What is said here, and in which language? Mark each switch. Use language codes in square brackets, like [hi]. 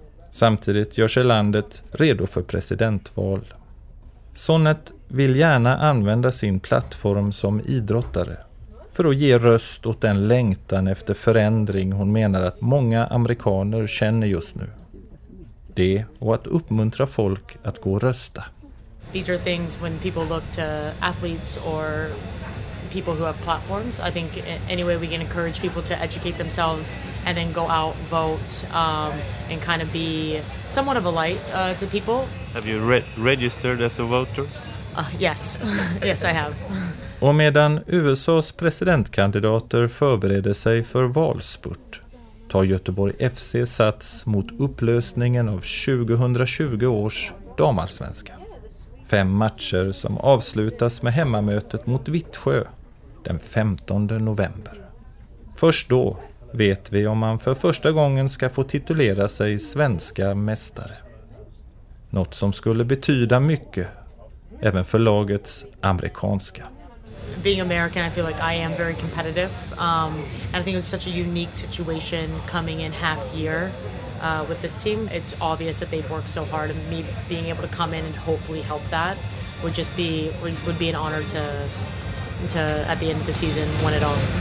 [sv] Samtidigt gör sig landet redo för presidentval. Sonnet vill gärna använda sin plattform som idrottare för att ge röst åt den längtan efter förändring hon menar att många amerikaner känner just nu. Det och att uppmuntra folk att gå och rösta. [en] These are things when people look to athletes or people who have platforms. I think any way we can encourage people to educate themselves and then go out, vote, and kind of be somewhat of a light to people. Have you registered as a voter? Yes, yes I have. [sv] Och medan USA:s presidentkandidater förbereder sig för valspurt tar Göteborg FC sats mot upplösningen av 2020 års damallsvenskan. Fem matcher som avslutas med hemmamötet mot Vittsjö den 15 november. Först då vet vi om man för första gången ska få titulera sig svenska mästare. Något som skulle betyda mycket även för lagets amerikanska. [en] Being American, I feel like I am very competitive. And I think it was such a unique situation coming in half year with this team. It's obvious that they've worked so hard, and me being able to come in and hopefully help that would be an honor to at the end of the season win it all.